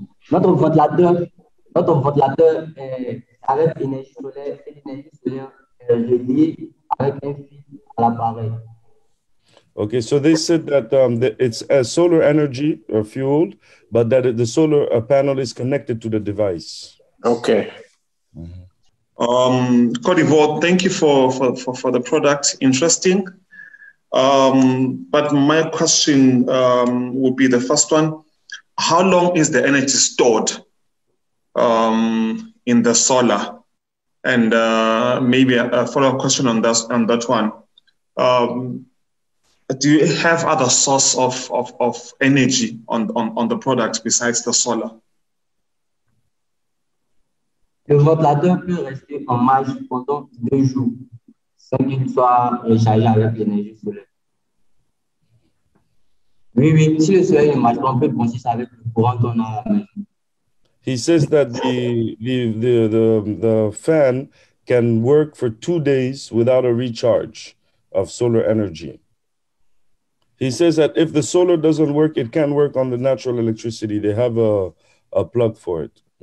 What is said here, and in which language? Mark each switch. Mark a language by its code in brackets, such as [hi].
[fr] Notre ventilateur arrête l'énergie solaire et l'énergie solaire relie avec un fil à l'appareil. [en] Okay, so they said that it's a solar energy fueled, but that the solar panel is connected to the device. Okay. Mm-hmm. Cote d'Ivoire, thank you for the product. Interesting. But my question would be the first one. How long is the energy stored in the solar? And maybe a follow-up question on that one. Do you have other source of energy on the product besides the solar? [fr] Le ventilateur peut rester en marche pendant deux jours sans qu'il soit rechargé avec l'énergie solaire. Oui, oui, si le soleil ne marche pas, on peut brancher ça avec le courant qu'on a à la maison. [en] He says that the fan can work for 2 days without a recharge of solar energy. He says that if the solar doesn't work, it can work on the natural electricity. They have a plug for it.